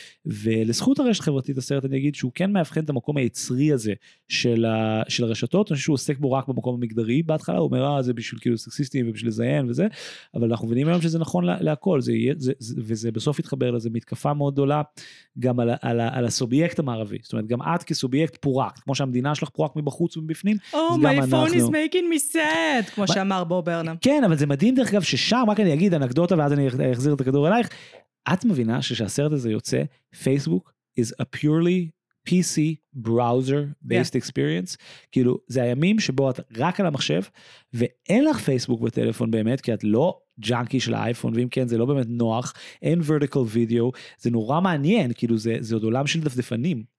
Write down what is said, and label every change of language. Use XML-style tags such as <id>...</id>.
<he>ולזכות הרשת החברתית, הסרט, אני אגיד שהוא כן מאבחן את המקום היצרי הזה של הרשתות, אני חושב שהוא עוסק בו רק במקום המגדרי בהתחלה, הוא אומר, זה בשביל כאילו סקסיסטים ובשביל לזיין וזה, אבל אנחנו מבינים היום שזה נכון להכל, וזה בסוף התחבר לזה מתקפה מאוד גדולה, גם על, על, על, על הסובייקט המערבי, זאת אומרת, גם את כסובייקט פורקת, כמו שהמדינה שלך פורקת מבחוץ ומבפנים,</he> <en>my phone is making me sad,</en> <he>כמו שאמר בו ברנם. כן, אבל זה מדהים דרך אגב ששם, רק אני אגיד אנקדוטה ואז אני אחזיר את הכדור אלייך, את מבינה שכשהסרט הזה יוצא,</he> <en>Facebook is a purely PC browser based experience,</en> <he>כאילו זה הימים שבו את רק על המחשב, ואין לך פייסבוק בטלפון באמת, כי את לא ג'אנקי של האייפון, ואם כן זה לא באמת נוח, אין</he> <en>vertical video,</en> <he>זה נורא מעניין, כאילו זה עוד עולם של דפדפנים.</he>